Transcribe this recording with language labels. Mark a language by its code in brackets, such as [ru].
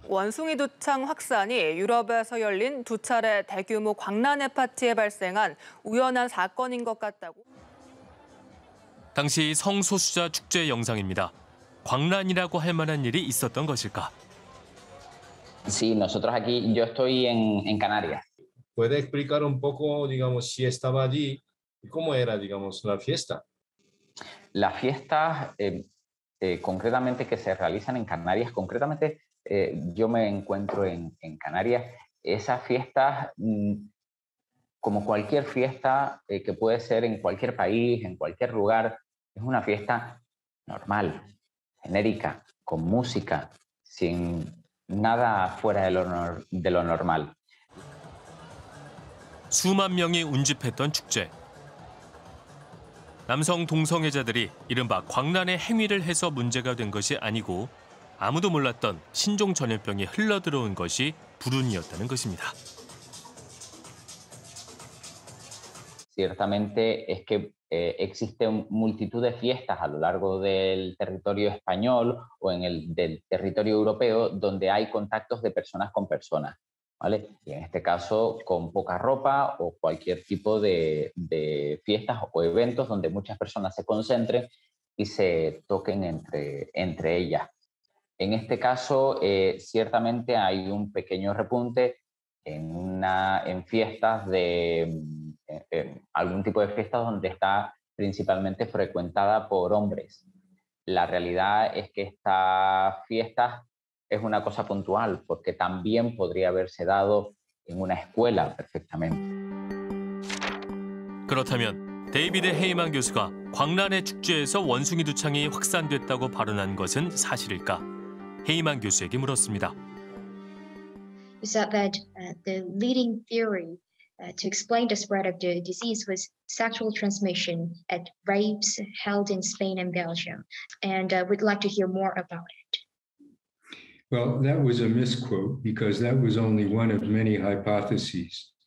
[ko] 원숭이 두창 확산이 유럽에서 열린 두 차례 대규모 광란의 파티에 발생한 우연한 사건인 것 같다고. 당시 성소수자 축제 영상입니다. 광란이라고 할 만한 일이 있었던 것일까? [es] Sí, nosotros aquí, yo estoy en Canarias. ¿Puede explicar un poco, digamos, si estaba allí y cómo era, digamos, la fiesta? La fiesta, concretamente, que se realizan en Canarias, concretamente, yo me encuentro en Canarias. Esa fiesta, como cualquier fiesta que puede ser en cualquier país, en cualquier lugar, es una fiesta normal, genérica, con música, sin nada fuera de lo normal. [ko] 수만 명이 운집했던 축제. 남성 동성애자들이 이른바 광란의 행위를 해서 문제가 된 것이 아니고 아무도 몰랐던 신종 전염병이 흘러들어온 것이 불운이었다는 것입니다. [es] Ciertamente es que existe multitud de fiestas a lo largo del territorio español o en el del territorio europeo donde hay contactos de personas con personas, ¿vale? Y en este caso con poca ropa o cualquier tipo de fiestas o eventos donde muchas personas se concentren y se toquen entre ellas. En este caso, ciertamente hay un pequeño repunte en fiestas de algún tipo de fiesta donde está principalmente frecuentada por hombres. La realidad es que esta fiesta es una cosa puntual porque también podría haberse dado en una escuela perfectamente. [ko] 그렇다면 데이비드 헤이만 교수가 광란의 축제에서 원숭이 두창이 확산됐다고 발언한 것은 사실일까? 헤이만 교수에게 물었습니다. [en] Is that the leading theory to explain the spread of the disease was sexual transmission at raves held in Spain and Belgium. And we'd like to hear more about it. Well, that was a misquote because that was only one of many hypotheses.